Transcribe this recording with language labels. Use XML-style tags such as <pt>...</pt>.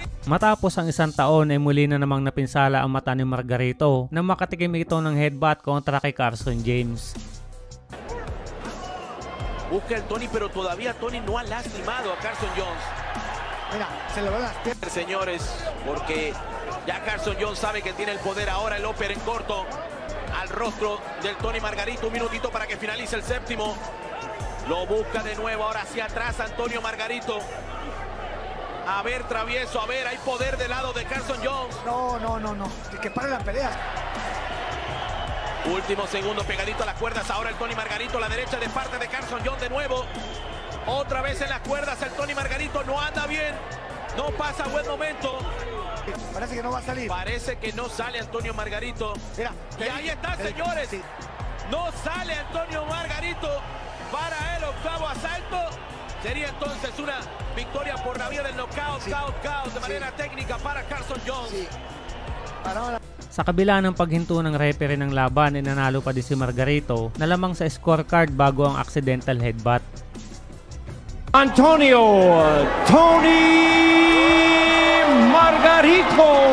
<tl>Matapos ang 1 taon ay muli na namang napinsala ang mata ni Margarito na makatikim ito ng headbutt kontra kay Carson James.</tl> <es>Busca el Tony, pero todavía Tony no ha lastimado a Carson Jones. Mira, se le va a lastimar. Señores, porque ya Carson Jones sabe que tiene el poder ahora el upper en corto al rostro del Tony Margarito. Un minutito para que finalice el séptimo. Lo busca de nuevo ahora hacia atrás Antonio Margarito. A ver, travieso, a ver, hay poder del lado de Carson Jones. No, que pare la pelea. Último segundo, pegadito a las cuerdas. Ahora el Tony Margarito, la derecha de parte de Carson John de nuevo. Otra vez en las cuerdas el Tony Margarito, no anda bien. No pasa buen momento. Parece que no va a salir. Parece que no sale Antonio Margarito. Mira, y ahí está, señores. Sí. No sale Antonio Margarito para el octavo asalto. Sería entonces una victoria por la vía del knockout, caos, de manera técnica para Carson Jones.</es> <tl>Sa kabila ng paghinto ng referee ng laban, inanalo pa din si Margarito na lamang sa scorecard bago ang</tl> <en>accidental headbutt.</en> <es>Antonio Tony Margarito!</es>